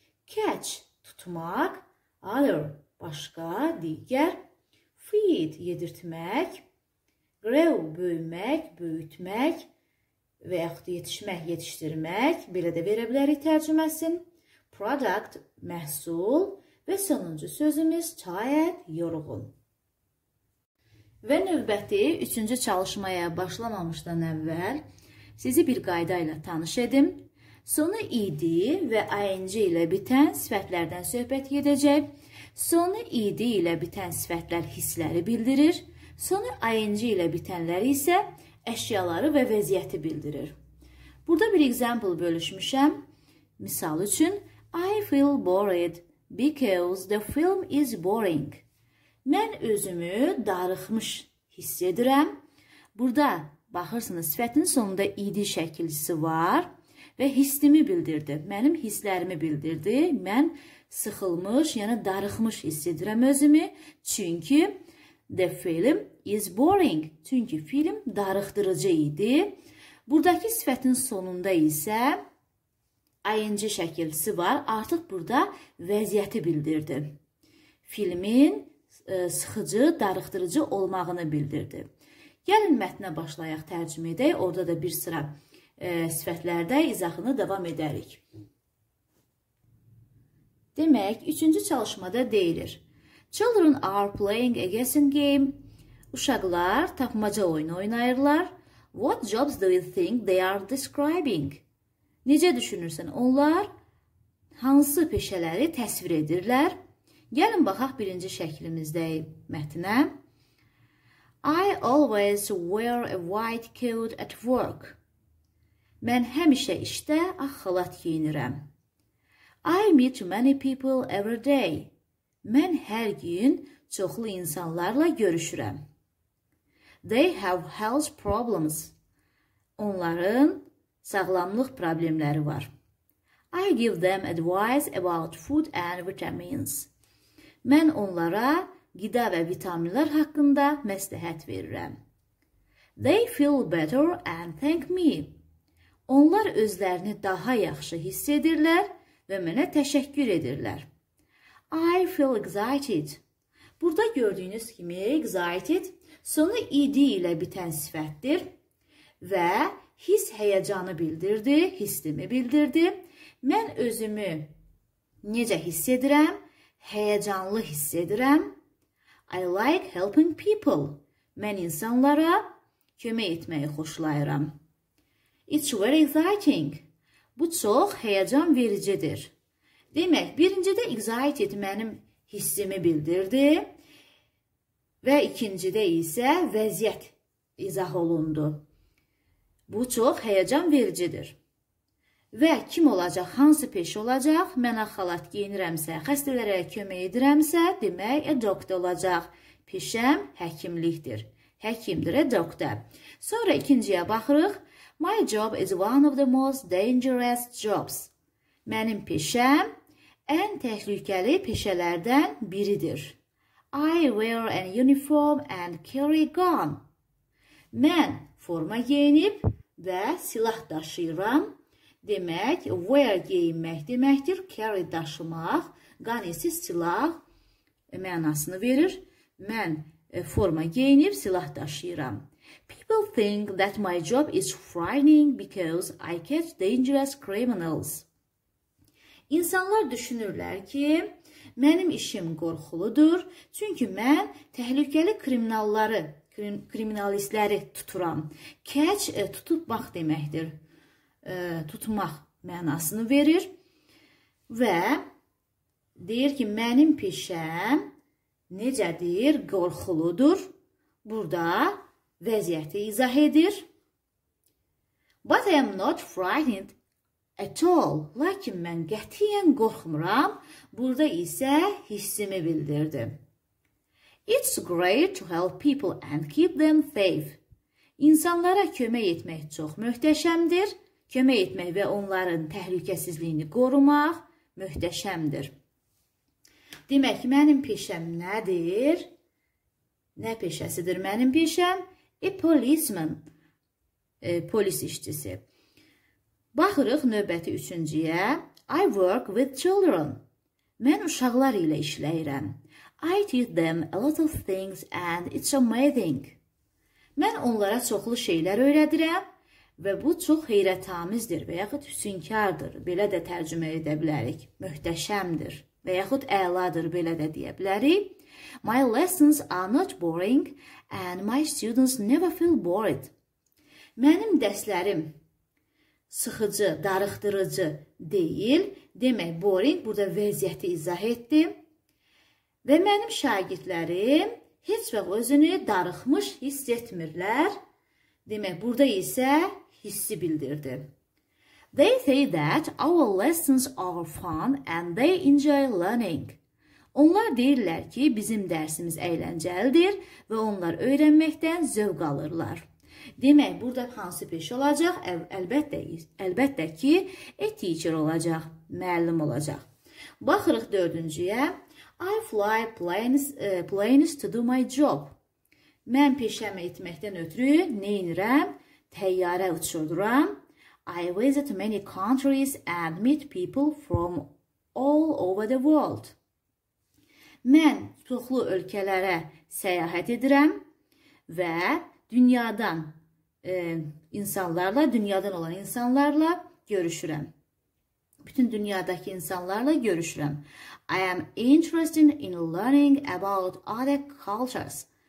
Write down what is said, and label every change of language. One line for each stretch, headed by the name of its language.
Azerbaijani: Catch, tutmaq. Other, başqa, digər. Feed, yedirtmək. Grow, böyümək, böyütmək. Və yaxud yetişmək, yetişdirmək. Belə də verə bilərik tərcüməsin. Product, məhsul. Və sonuncu sözümüz tired, yorğun. Və növbəti üçüncü çalışmaya başlamamışdan əvvəl sizi bir qayda ilə tanış edim. Sonu ed və ing ilə bitən sifətlərdən söhbət edəcək. Sonu ed ilə bitən sifətlər hissləri bildirir. Sonu ing ilə bitənləri isə əşyaları və vəziyyəti bildirir. Burada bir example bölüşmüşəm. Misal üçün,
English: I feel bored because the film is boring.
Azerbaijani: Mən özümü darıxmış hiss edirəm. Burada baxırsınız, sifətin sonunda ed şəkilcisi var və hissimi bildirdi. Mənim hisslərimi bildirdi. Mən sıxılmış, yəni darıxmış hiss edirəm özümü. Çünki
English: the film is boring.
Azerbaijani: Çünki film darıxdırıcı idi. Buradakı sifətin sonunda isə ing şəkilcisi var. Artıq burada vəziyyəti bildirdi. Filmin sıxıcı, darıxdırıcı olmağını bildirdi. Gəlin mətnə başlayaq, tərcümə edək. Orada da bir sıra sifətlərdə izahını davam edərik. Demək, üçüncü çalışmada deyilir.
English: Children are playing a guessing game.
Azerbaijani: Uşaqlar tapmaca oyunu oynayırlar.
English: What jobs do you think they are describing?
Azerbaijani: Necə düşünürsən, onlar hansı peşələri təsvir edirlər? Gəlin baxaq birinci şəklimizdə mətnə.
English: I always wear a white coat at work.
Azerbaijani: Mən həmişə işdə ağ xalat geyinirəm.
English: I meet many people every day.
Azerbaijani: Mən hər gün çoxlu insanlarla görüşürəm.
English: They have health problems.
Azerbaijani: Onların sağlamlıq problemləri var.
English: I give them advice about food and vitamins.
Azerbaijani: Mən onlara qida və vitaminlər haqqında məsləhət verirəm.
English: They feel better and thank me.
Azerbaijani: Onlar özlərini daha yaxşı hiss edirlər və mənə təşəkkür edirlər.
English: I feel excited.
Azerbaijani: Burada gördüyünüz kimi excited sonu ed ilə bitən sifətdir və his həyəcanı bildirdi, hissimi bildirdi. Mən özümü necə hiss edirəm? Həyəcanlı hiss edirəm.
English: I like helping people.
Azerbaijani: Mən insanlara kömək etməyi xoşlayıram.
English: It's very exciting.
Azerbaijani: Bu çox həyəcan vericidir. Demək, birincidə excited mənim hissimi bildirdi və ikincidə isə vəziyyət izah olundu. Bu çox həyəcan vericidir. Və kim olacaq, hansı peşə olacaq? Mən ağ xalat geyinirəmsə, xəstələrə kömək edirəmsə, demək, a doctor olacaq. Peşəm həkimlikdir. Həkimdir, a doctor. Sonra ikinciyə baxırıq.
English: My job is one of the most dangerous jobs.
Azerbaijani: Mənim peşəm ən təhlükəli peşələrdən biridir.
English: I wear a uniform and carry gun.
Azerbaijani: Mən forma geyinib və silah daşıyıram. Demək, wear geyinmək deməkdir, carry daşımaq, qan isə silah mənasını verir. Mən forma geyinib silah daşıyıram.
English: People think that my job is frightening because I catch dangerous criminals.
Azerbaijani: İnsanlar düşünürlər ki, mənim işim qorxuludur, çünki mən təhlükəli kriminalları, kriminalistləri tuturam. Catch tutmaq deməkdir. Tutmaq mənasını verir və deyir ki, mənim peşəm necədir, qorxuludur. Burada vəziyyəti izah edir.
English: But I am not frightened at all.
Azerbaijani: Lakin mən qətiyyən qorxmuram. Burada isə hissimi bildirdi.
English: It's great to help people and keep them safe.
Azerbaijani: İnsanlara kömək etmək çox möhtəşəmdir. Kömək etmək və onların təhlükəsizliyini qorumaq möhtəşəmdir. Demək ki, mənim peşəm nədir? Nə peşəsidir mənim peşəm? A policeman, polis işçisi. Baxırıq növbəti üçüncüyə.
English: I work with children.
Azerbaijani: Mən uşaqlar ilə işləyirəm.
English: I teach them a lot of things and it's amazing.
Azerbaijani: Mən onlara çoxlu şeylər öyrədirəm və bu çox heyrətamizdir və yaxud hüsünkardır. Belə də tərcümə edə bilərik. Möhtəşəmdir və yaxud əladır, belə də deyə bilərik.
English: My lessons are not boring and my students never feel bored.
Azerbaijani: Mənim dərslərim sıxıcı, darıxdırıcı deyil. Demək, boring burada vəziyyəti izah etdi. Və mənim şagirdlərim heç vaxt özünü darıxmış hiss etmirlər. Demək, burada isə hissi bildirdi.
English: They say that our lessons are fun and they enjoy learning.
Azerbaijani: Onlar deyirlər ki, bizim dərsimiz əyləncəlidir və onlar öyrənməkdən zövq alırlar. Demək, burada hansı peşə olacaq? Əlbəttə ki, a teacher olacaq, müəllim olacaq. Baxırıq dördüncüyə.
English: I fly planes to do my job.
Azerbaijani: Mən peşəmə etməkdən ötürü neynirəm? Təyyarə uçurduram.
English: I visit many countries and meet people from all over the world.
Azerbaijani: Mən çoxlu ölkələrə səyahət edirəm və dünyadan insanlarla, dünyadan olan insanlarla görüşürəm. Bütün dünyadakı insanlarla görüşürəm.
English: I am interested in learning about other cultures.